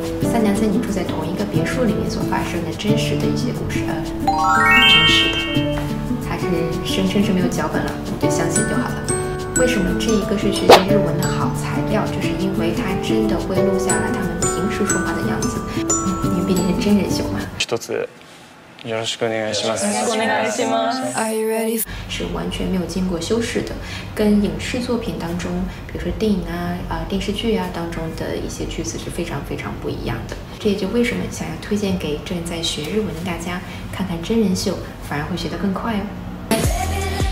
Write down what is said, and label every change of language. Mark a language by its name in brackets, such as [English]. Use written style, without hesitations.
[Chinese] 三男三女住在同一个别墅里面所发生的真实的一些故事，真实的，它是声称是没有脚本了，你就相信就好了。为什么这一个是学习日文的好材料？就是因为它真的会录下来他们平时说话的样子。因为毕竟是真人秀嘛。 [Japanese] 一つよろしくお願いします。よろしくお願いします。 [English] Are you ready? [Chinese] 是完全没有经过修饰的，跟影视作品当中，比如说电影啊、电视剧啊当中的一些句子是非常非常不一样的。这也就为什么想要推荐给正在学日文的大家，看看真人秀反而会学得更快哦。